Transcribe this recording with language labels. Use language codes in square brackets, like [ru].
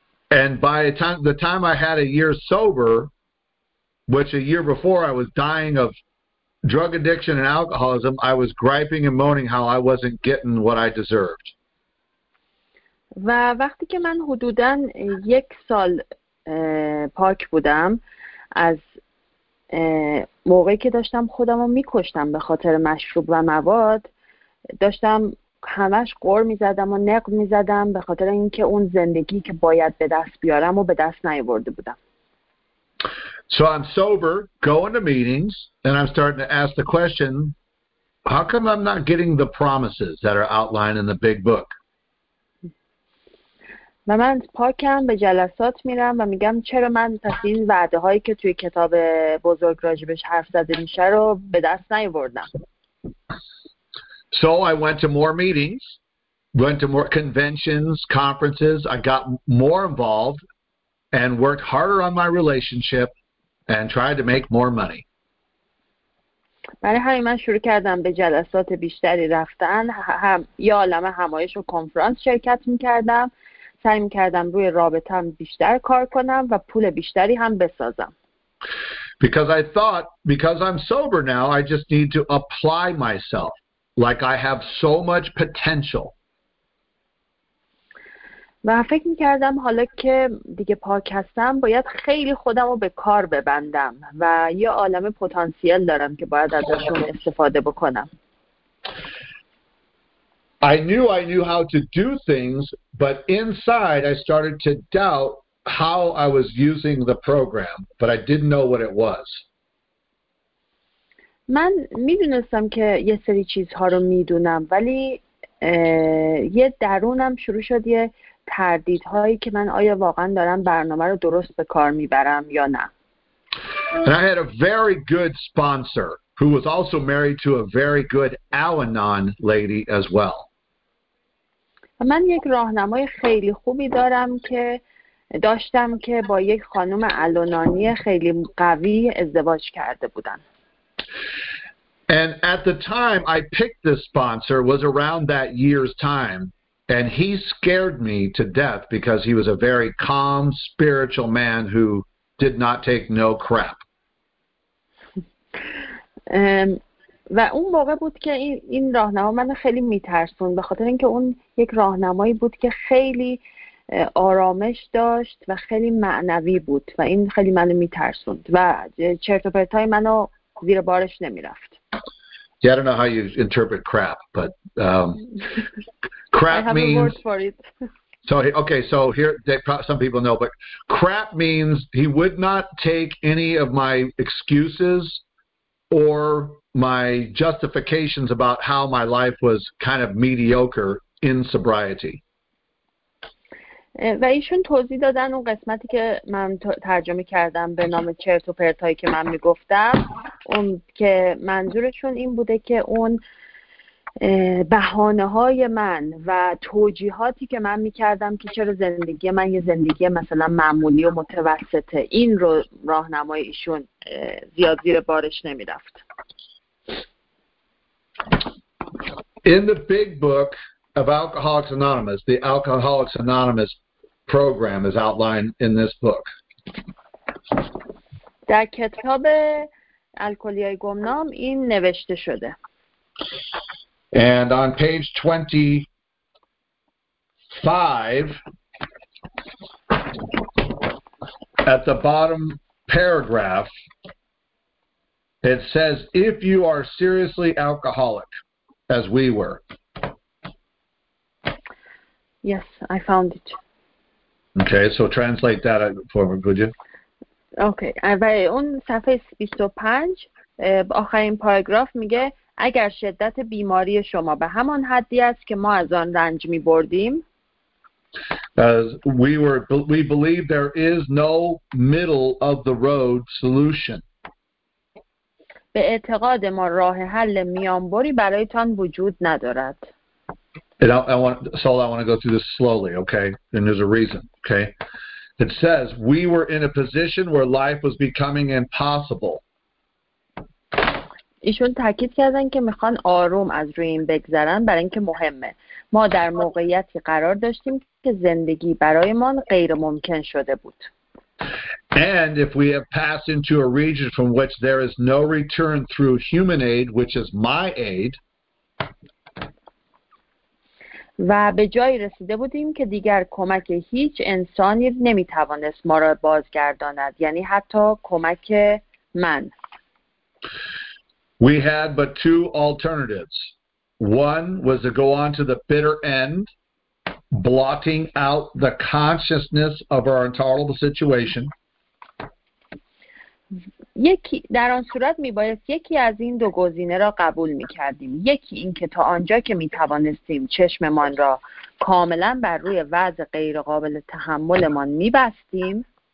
[en] And by the time I had a year sober, which a year before I was dying of drug addiction and alcoholism, I was griping and moaning how I wasn't getting what I deserved. [fa] و وقتی که من حدوداً یک سال پاک بودم از موقعی که داشتم خودم رو میکشتم به خاطر مشروب و مواد، داشتم همش غر میزدم و نق میزدم به خاطر اینکه اون زندگی که باید به دست بیارم و به دست نیاورده بودم. [en] So I'm sober, going to meetings, and I'm starting to ask the question, how come I'm not getting the promises that are outlined in the big book? [fa] و من پاکم به جلسات میرم و میگم چرا من پس این وعده هایی که توی کتاب بزرگ راجبش حرف زده میشه رو به دست نیاوردم. [en] So I went to more meetings, went to more conventions, conferences, I got more involved and worked harder on my relationship and tried to make more money. [fa] برای همین من شروع کردم به جلسات بیشتری رفتن، یه عالمه همایش و کنفرانس شرکت میکردم، سعی میکردم روی رابطم بیشتر کار کنم و پول بیشتری هم بسازم. [en] Because I thought, because I'm sober now, I just need to apply myself. Like I have so much potential. [fa] و فکر میکردم حالا که دیگه پاک هستم باید خیلی خودم رو به کار ببندم و یه عالم پتانسیل دارم که باید ازشون استفاده بکنم. [en] I knew how to do things, but inside I started to doubt how I was using the program, but I didn't know what it was. [fa] من میدونستم که یه سری چیزها رو میدونم، ولی یه درونم شروع شد یه تردیدهایی که من آیا واقعا دارم برنامه رو درست به کار میبرم یا نه. [en] And I had a very good sponsor who was also married to a very good Al-Anon lady as well. [fa] من یک راهنمای خیلی خوبی دارم که داشتم که با یک خانم الانانی خیلی قوی ازدواج کرده بودن. [en] And at the time I picked this sponsor was around that year's time and he scared me to death because he was a very calm spiritual man who did not take no crap. [fa] و اون موقع بود که این راهنما من خیلی میترسون به خاطر اینکه اون یک راهنمایی بود که خیلی آرامش داشت و خیلی معنوی بود و این خیلی منو میترسوند و چرت و پرتای منو زیر بارش نمیرفت. [en] Yeah, I don't know how you interpret crap, but crap means... I have a word for it. So here, some people know, but crap means he would not take any of my excuses or my justifications about how my life was kind of mediocre in sobriety. [fa] و ایشون توضیح دادن اون قسمتی که من ترجمه کردم به نام چرت و پرتایی که من میگفتم، اون که منظورشون این بوده که اون بهانه های من و توجیهاتی که من میکردم که چرا زندگی من یه زندگی مثلا معمولی و متوسطه، این رو راهنمای ایشون زیاد زیر بارش نمیرفت. [en] In the big book of Alcoholics Anonymous, the Alcoholics Anonymous program is outlined in this book. [fa] در کتاب الکلی‌های گمنام این نوشته شده. [en] And on page 25, at the bottom paragraph, it says, if you are seriously alcoholic, as we were. Yes, I found it. Okay, so translate that for me, would you? [fa] Okay, اون صفحه 25 آخرین پاراگراف میگه اگر شدت بیماری شما به همان حدی است که ما از آن رنج می بردیم. [en] We believe there is no middle of the road solution. [fa] به اعتقاد ما راه حل میانبری برای تان وجود ندارد. [en] I want to go through this slowly, okay? And there's a reason, okay? It says we were in a position where life was becoming impossible. [fa] ایشون تاکید کردن که میخوان آروم از روی این بگذرن برای اینکه مهمه. ما در موقعیتی قرار داشتیم که زندگی برای ما غیر ممکن شده بود. [en] And if we have passed into a region from which there is no return through human aid, which is my aid. [fa] و به جای رسیده بودیم که دیگر کمک هیچ انسانی نمیتوانست ما را بازگرداند. یعنی حتی کمک من. [en] We had but two alternatives. One was to go on to the bitter end, blotting out the consciousness of our intolerable situation. [fa] یکی در آن صورت میبایست یکی از این دو گزینه را قبول میکردیم. یکی این که تا آنجا که میتوانستیم چشممان را کاملا بر روی وضع غیر قابل تحملمان میبستیم.